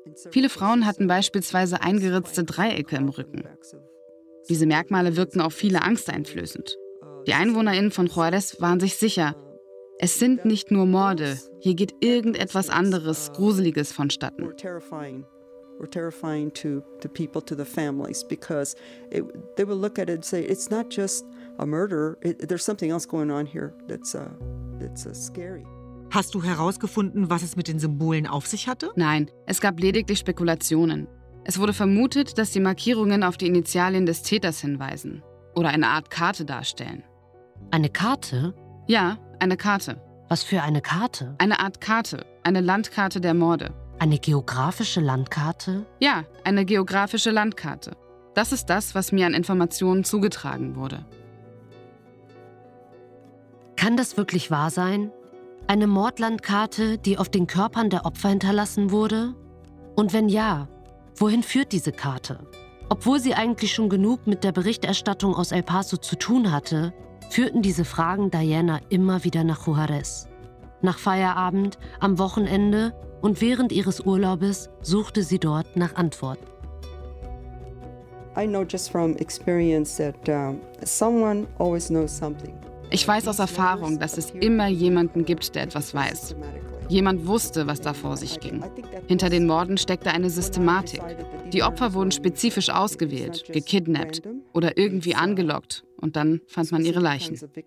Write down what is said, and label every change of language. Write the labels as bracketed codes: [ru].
[de] Viele Frauen hatten beispielsweise eingeritzte Dreiecke im Rücken. Diese Merkmale wirkten auf viele angsteinflößend. Die EinwohnerInnen von Juarez waren sich sicher, es sind nicht nur Morde, hier geht irgendetwas anderes, Gruseliges vonstatten. [en] Were terrifying to the people, to the families, because it, they would look at it and say, it's not just a murder, there's something else going on here that's scary. [de] Hast du herausgefunden, was es mit den Symbolen auf sich hatte? Nein, es gab lediglich Spekulationen. Es wurde vermutet, dass die Markierungen auf die Initialen des Täters hinweisen oder eine Art Karte darstellen. Eine Karte? Ja, eine Karte. Was für eine Karte? Eine Art Karte, eine Landkarte der Morde. Eine geografische Landkarte? Ja, eine geografische Landkarte. Das ist das, was mir an Informationen zugetragen wurde. Kann das wirklich wahr sein? Eine Mordlandkarte, die auf den Körpern der Opfer hinterlassen wurde? Und wenn ja, wohin führt diese Karte? Obwohl sie eigentlich schon genug mit der Berichterstattung aus El Paso zu tun hatte, führten diese Fragen Diana immer wieder nach Juarez. Nach Feierabend, am Wochenende und während ihres Urlaubes suchte sie dort nach Antworten. [en] I know just from experience that someone always knows something. [de] Ich weiß aus Erfahrung, dass es immer jemanden gibt, der etwas weiß. Jemand wusste, was da vor sich ging. Hinter den Morden steckte eine Systematik. Die Opfer wurden spezifisch ausgewählt, gekidnappt oder irgendwie angelockt und dann fand man ihre Leichen.